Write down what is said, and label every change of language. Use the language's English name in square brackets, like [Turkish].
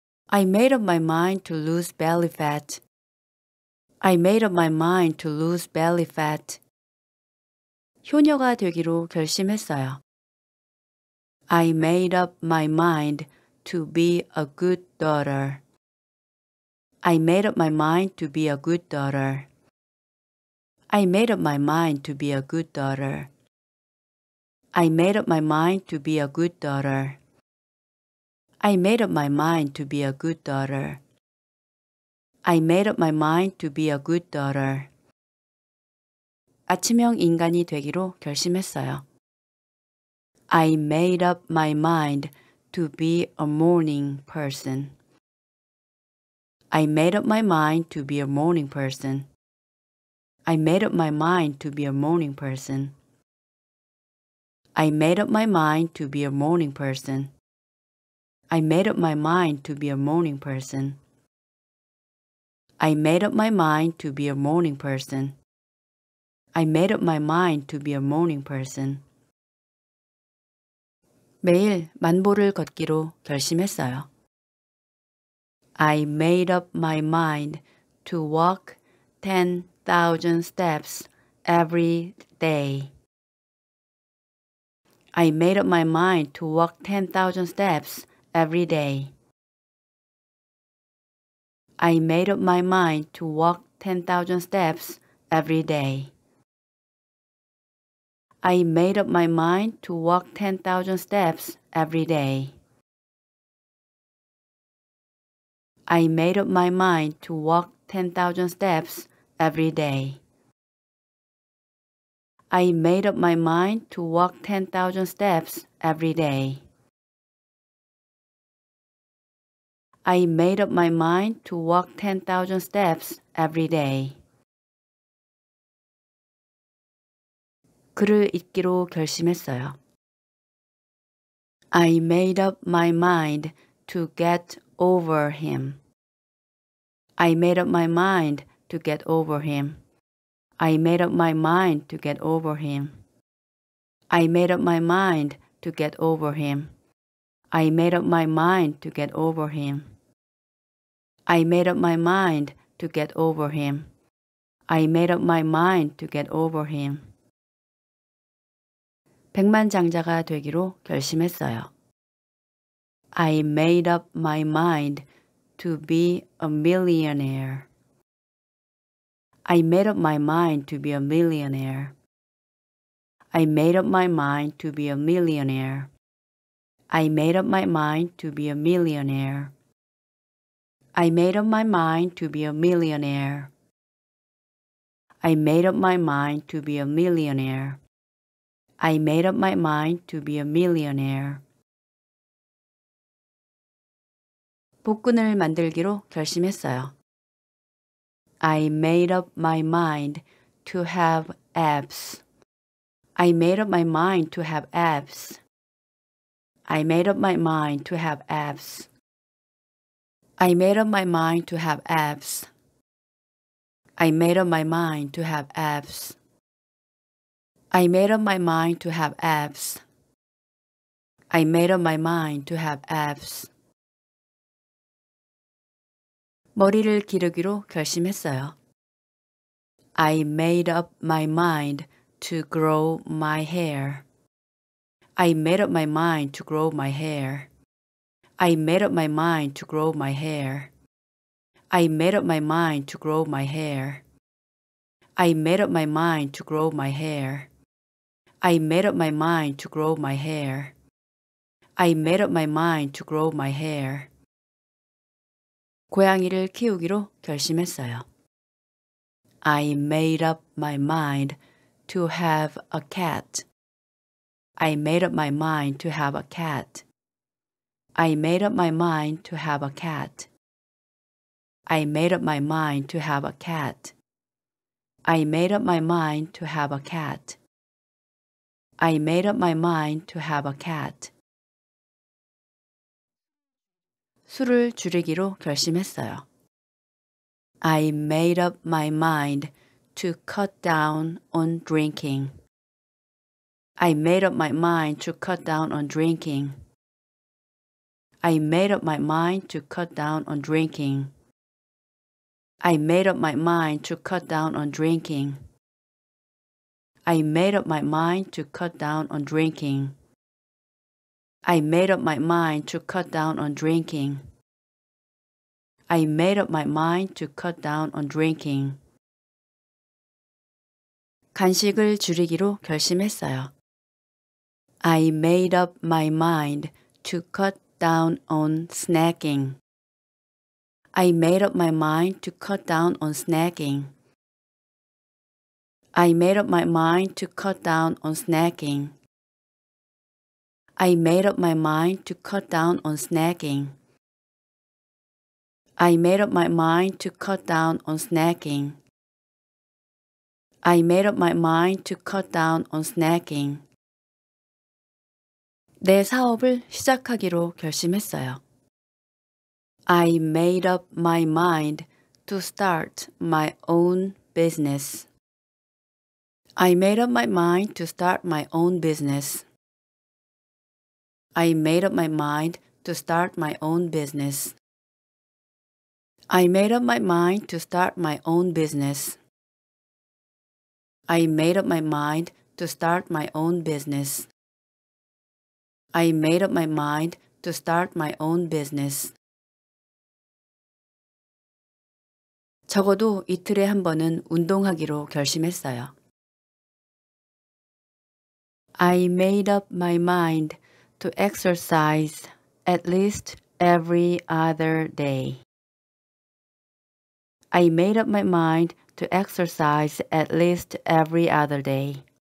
[English] I made up my mind to lose belly fat. I made up my mind to lose belly fat. [Korean] 효녀가 되기로 결심했어요. [English] I made up my mind to be a good daughter. I made up my mind to be a good daughter. I made up my mind to be a good daughter. I made up my mind to be a good daughter. I made up my mind to be a good daughter. I made up my mind to be a good daughter. [Korean] 아침형 인간이 되기로 결심했어요. [English] I made up my mind to be a morning person. I made up my mind to be a morning person. I made up my mind to be a morning person. I made up my mind to be a morning person. I made up my mind to be a morning person. I made up my mind to be a morning person. I made up my mind to be a morning person. [Korean] 매일 만보를 걷기로 결심했어요. [English] I made up my mind to walk 10,000 steps every day. I made up my mind to walk 10,000 steps every day. I made up my mind to walk 10,000 steps every day. I made up my mind to walk 10,000 steps every day. I made up my mind to walk 10,000 steps every day. I made up my mind to walk 10,000 steps every day. I made up my mind to walk 10,000 steps every day. [Korean] 글을 읽기로 결심했어요. [English] I made up my mind to get over him. I made up my mind to get over him. I made up my mind to get over him. I made up my mind to get over him. I made up my mind to get over him. I made up my mind to get over him. I made up my mind to get over him. [Korean] 백만장자가 되기로 결심했어요. [English] I made up my mind to be a millionaire. I made up my mind to be a millionaire. I made up my mind to be a millionaire. I made up my mind to be a millionaire. I made up my mind to be a millionaire. I made up my mind to be a millionaire. I made up my mind to be a millionaire. [Korean] 복근을 만들기로 결심했어요. [English] I made up my mind to have abs. I made up my mind to have abs. I made up my mind to have abs. I made up my mind to have abs. I made up my mind to have abs. I made up my mind to have abs. I made up my mind to have abs. [Korean] 머리를 기르기로 결심했어요. [English] I made up my mind to grow my hair. I made up my mind to grow my hair. I made up my mind to grow my hair. I made up my mind to grow my hair. I made up my mind to grow my hair. I made up my mind to grow my hair. I made up my mind to grow my hair. [Korean] 고양이를 키우기로 결심했어요. [English] I made up my mind to have a cat. I made up my mind to have a cat. I made up my mind to have a cat. I made up my mind to have a cat. I made up my mind to have a cat. I made up my mind to have a cat. [Korean] 술을 줄이기로 결심했어요. [English] I made up my mind to cut down on drinking. I made up my mind to cut down on drinking. I made up my mind to cut down on drinking. I made up my mind to cut down on drinking. I made up my mind to cut down on drinking. I made up my mind to cut down on drinking. I made up my mind to cut down on drinking. [Korean] 간식을 줄이기로 결심했어요. [English] I made up my mind to cut down on snacking. I made up my mind to cut down on snacking. I made up my mind to cut down on snacking. I made up my mind to cut down on snacking. I made up my mind to cut down on snacking. I made up my mind to cut down on snacking. [Korean] 내 사업을 시작하기로 결심했어요. [English] I made up my mind to start my own business. I made up my mind to start my own business. I made up my mind to start my own business. I made up my mind to start my own business. I made up my mind to start my own business. I made up my mind to start my own business. [Korean] 적어도 이틀에 한 번은 운동하기로 결심했어요. [English] I made up my mind to exercise at least every other day. I made up my mind to exercise at least every other day.